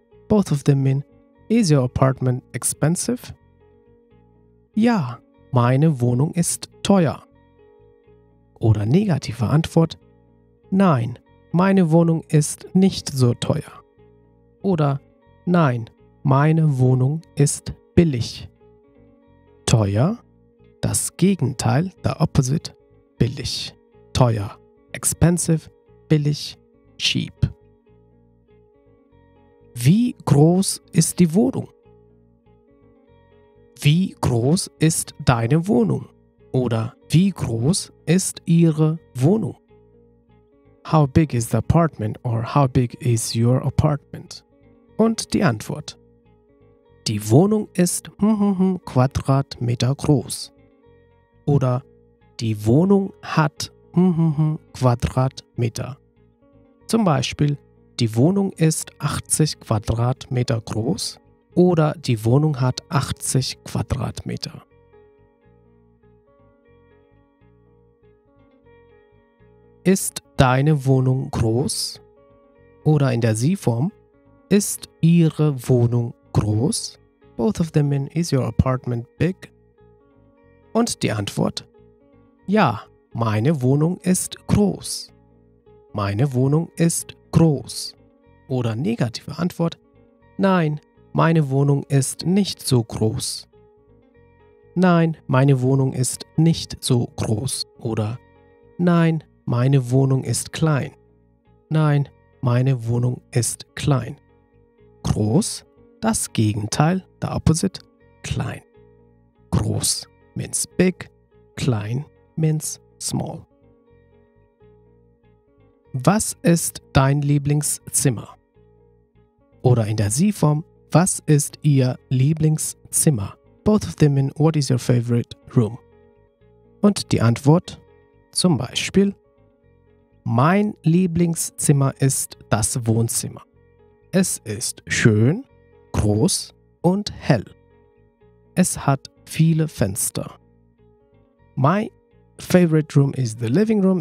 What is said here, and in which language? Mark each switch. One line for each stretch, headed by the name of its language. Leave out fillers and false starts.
English: Both of them mean: Is your apartment expensive?
German: Ja, meine Wohnung ist teuer. Oder negative Antwort: Nein, meine Wohnung ist nicht so teuer. Oder: Nein, meine Wohnung ist billig. Teuer, das Gegenteil,
English: the opposite,
German: billig. Teuer, expensive, billig, cheap. Wie groß ist die Wohnung? Wie groß ist deine Wohnung? Oder wie groß ist Ihre Wohnung?
English: How big is the apartment or how big is your apartment?
German: Und die Antwort: Die Wohnung ist Quadratmeter groß. Oder: Die Wohnung hat Quadratmeter. Zum Beispiel: Die Wohnung ist 80 Quadratmeter groß. Oder: Die Wohnung hat 80 Quadratmeter. Ist deine Wohnung groß? Oder in der Sie-Form: Ist Ihre Wohnung groß?
English: Both of them mean: Is your apartment big?
German: Und die Antwort: Ja, meine Wohnung ist groß. Meine Wohnung ist groß. Oder negative Antwort: Nein, meine Wohnung ist nicht so groß. Nein, meine Wohnung ist nicht so groß. Oder: Nein, meine Wohnung ist klein. Nein, meine Wohnung ist klein. Groß, das Gegenteil,
English: the opposite,
German: klein.
English: Groß means big, klein means small.
German: Was ist dein Lieblingszimmer? Oder in der Sie-Form: Was ist Ihr Lieblingszimmer?
English: Both of them mean: What is your favorite room?
German: Und die Antwort: Zum Beispiel: Mein Lieblingszimmer ist das Wohnzimmer. Es ist schön, groß und hell. Es hat viele Fenster.
English: My favorite room is the living room.